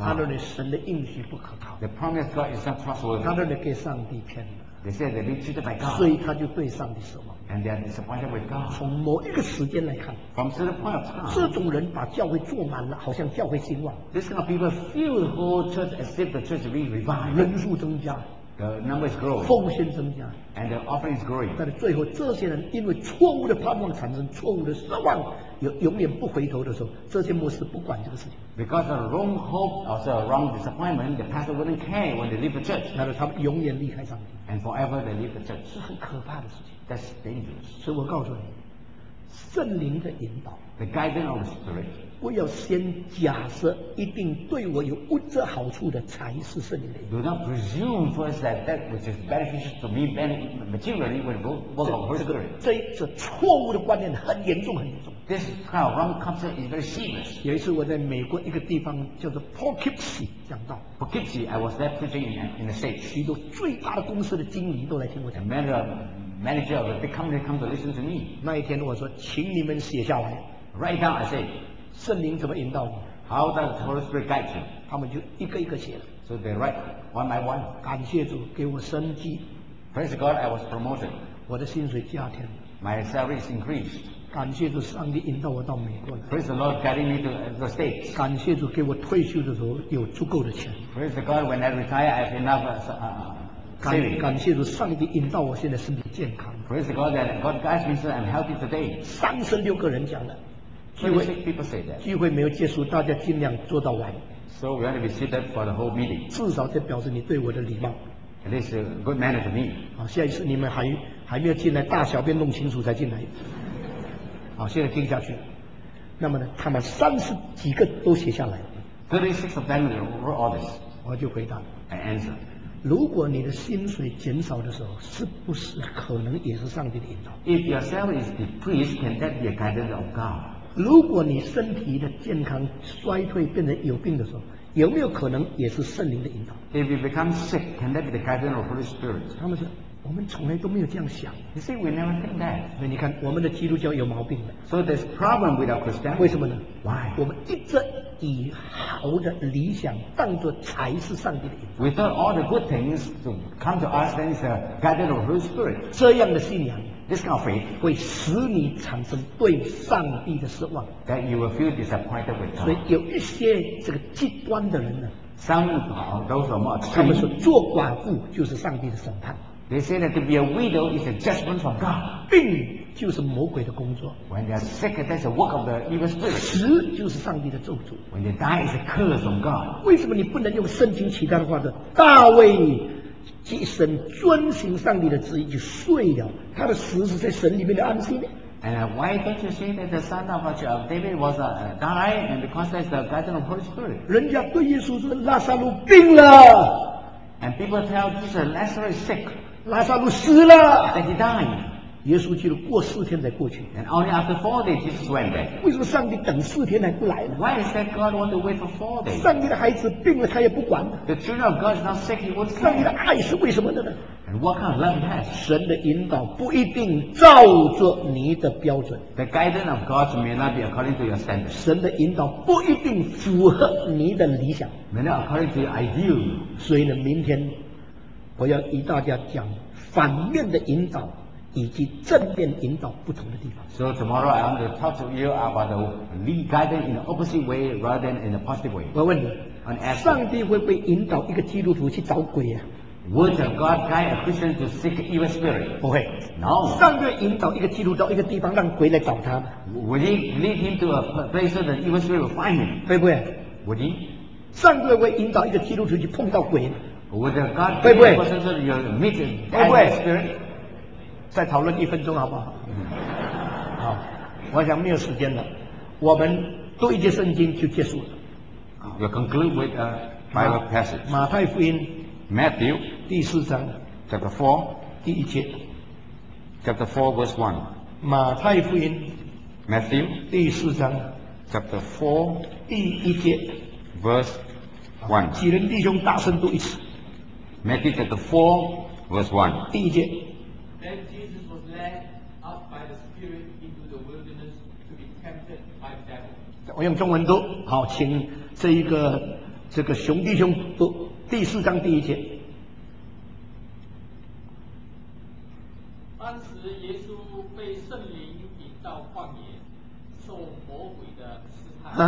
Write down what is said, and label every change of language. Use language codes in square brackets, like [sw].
[zh] 他认为神的应许不可靠。 [en] The promise God is not trustworthy. [zh] 他认为给上帝骗了。 [en] They said they've been cheated by God. [zh] 所以他就对上帝失望。 [en] And they're disappointed with God. [zh] 从某一个时间来看 [en] ，From certain point of time， [zh] 这种人把教会坐满了，好像教会兴旺。 [en] This kind of people fill the whole church as if the church is being revived. [zh] 人数增加 [en] ，The numbers grow. [zh] 奉献增加 [en] ，And the offering is growing. [zh] 但是最后，这些人因为错误的盼望产生错误的失望，永远不回头的时候，这些牧师不管这个事情。 [en] Because of wrong hope or the wrong disappointment, the pastor wouldn't care when they leave the church. [zh] 那是他们永远离开上帝。 [en] And forever they leave the church. [zh] 是很可怕的事情。 [en] That's dangerous. [zh] 所以我告诉你，圣灵的引导 [en] ，the guidance of the Spirit， [zh] 不要先假设一定对我有物质好处的才是圣灵的引导。 [en] Do not presume first that that which is beneficial to me materially will work on the Spirit. [zh] 这错误的观念很严重，很严重。 [en] This kind of wrong concept is very serious. [zh] 有一次我在美国一个地方叫做 Poughkeepsie 讲道。 [en] Poughkeepsie, I was there preaching in the States. [zh] 许多最大的公司的经理都来听我讲。 [en] And manager of a big company come to listen to me. [zh] 那一天我说，请你们写下来。 [en] Write down, I say. [zh] 圣灵怎么引导我 [en] ？How does the Holy Spirit guide you? [zh] 他们就一个一个写了。 [en] So they write one by one. [zh] 感谢主给我升级。 [en] Praise God, I was promoted. [zh] 我的薪水加添。 [en] My salary is increased. [zh] 感谢主，上帝引导我到美国来。 [en] Praise the Lord, guiding me to the States. [zh] 感谢主，给我退休的时候有足够的钱。 [en] Praise the God, when I retire, I have enough saving. [zh] 感谢主，上帝引导我现在身体健康。 [en] Praise the God that God guides me so I'm healthy today. [zh] 36个人讲了，聚会 [en] 36 people say that. [zh] 聚会没有结束，大家尽量做到完。 [en] So we're going to be seated for the whole meeting. [zh] 至少这表示你对我的礼貌。 [en] At least a good manner to me. [zh] 好，下一次你们还没有进来，大小便弄清楚才进来。好，现在听下去。那么呢，他们三十几个都写下来。 [en] 36 of them wrote all this. [zh] 我就回答。 [en] I answer. [zh] 如果你的薪水减少的时候，是不是可能也是上帝的引导 [en] ？If your salary is decreased, can that be a guidance of God? [zh] 如果你身体的健康衰退，变成有病的时候，有没有可能也是圣灵的引导 [en] ？If you become sick, can that be the guidance of Holy Spirit? [zh] 他们说。我们从来都没有这样想。 [en] You see, we never think that. [zh] 那你看，我们的基督教有毛病了。 [en] So there's problem with our Christianity. [zh] 为什么呢 [en] ？Why? [zh] 我们一直以好的理想当作才是上帝的引导。 [en] We thought all the good things to come to us then is a guidance of the Holy Spirit. [zh] 这样的信仰 [en] ，this kind of faith， [zh] 会使你产生对上帝的失望。 [en] That you will feel disappointed with God. [zh] 所以有一些这个极端的人呢 [en] ，Some of those are more extreme. [zh] 他们说，做寡妇就是上帝的审判。 [en] They say that to be a widow is a judgment from God. [zh] 病就是魔鬼的工作。 [en] When they are sick, that's a work of the evil spirit. [zh] 死就是上帝的咒诅。 [en] When they die, it's a curse from God. [zh] 为什么你不能用圣经其他的话说？大卫一生遵行上帝的旨意就睡了，他的死是在神里面的安息呢？ [en] And why don't you say that the son of David was died and because that's the guidance of the Holy Spirit? [zh] 人家对耶稣说拉撒路病了。 [en] And people tell Jesus Lazarus is sick. [zh] 拉撒路死了 [en] ，That he died. [zh] 耶稣基督过四天才过去 [en] ，And only after 4 days Jesus went back. [zh] 为什么上帝等四天还不来呢 [en] ？Why is that God want to wait for 4 days? [zh] 上帝的孩子病了他也不管。 [en] The children of God is not sick, he won't care. [zh] 上帝的爱是为什么的呢 [en] ？And what kind of love he has? [zh] 神的引导不一定照着你的标准。 [en] The guidance of God may not be according to your standard. [zh] 神的引导不一定符合你的理想。 [en] May not according to your ideal. [zh] 所以呢，明天我要与大家讲。反面的引导以及正面引导不同的地方。 [en] So tomorrow I want to talk to you about the lead guidance in the opposite way rather than in the positive way. [zh] 我问你，上帝会不会引导一个基督徒去找鬼啊 [en] ？Would God guide a Christian to seek evil spirit? [zh] 不会。 [en] No. [zh] 上帝会引导一个基督徒到一个地方让鬼来找他 [en] ？Would he lead him to a place where the evil spirit will find him? [zh] 会不会 [en] ？Would he? [zh] 上帝会引导一个基督徒去碰到鬼呢？会会？会不会？会不会？再讨论一分钟好不好？好，我想没有时间了，我们读一节圣经就结束了。 [en] We conclude with a Bible passage. [zh] 马太福音 [en] Matthew [zh] 第四章 [en] Chapter 4 [zh] 第一节 [en] Chapter 4 verse 1 [zh] 马太福音 [en] Matthew [zh] 第四章 [en] Chapter 4 [zh] 第一节 [en] Verse 1 [zh] 几人弟兄大声读一次 [en] Matthew chapter 4 verse 1 [zh] 第一节 [en] Then Jesus was led up by the Spirit into the wilderness to be tempted by the devil. [zh] 我用中文读，好，请这一个这个熊弟兄读第四章第一节。当时耶稣被圣灵引到旷野，受魔鬼的试探。